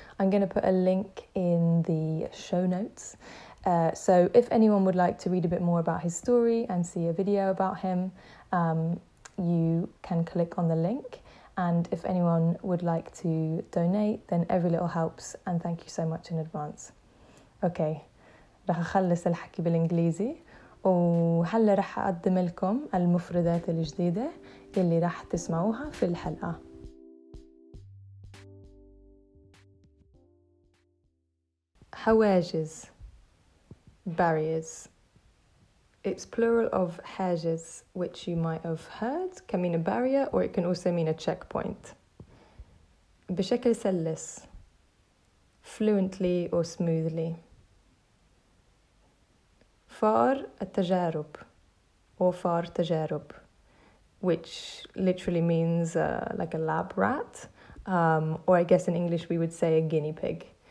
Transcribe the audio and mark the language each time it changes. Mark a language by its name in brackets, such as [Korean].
[English] I'm going to put a link in the show notes. So if anyone would like to read a bit more about his story and see a video about him, you can click on the link. And if anyone would like to donate, then every little helps. And thank you so much in advance. [Arabic] Okay, راح أخلص الحكي بالإنجليزي. وهلا رح أقدم لكم المفردات الجديدة اللي رح تسمعوها في الحلقة. حواجز, barriers. [English] It's plural of حاجز, which you might have heard can mean a barrier or it can also mean a checkpoint. [Arabic] بشكل سلس, [English] fluently or smoothly. فار التجارب, or فار تجارب, which literally means like a lab rat, or I guess in English we would say a guinea pig.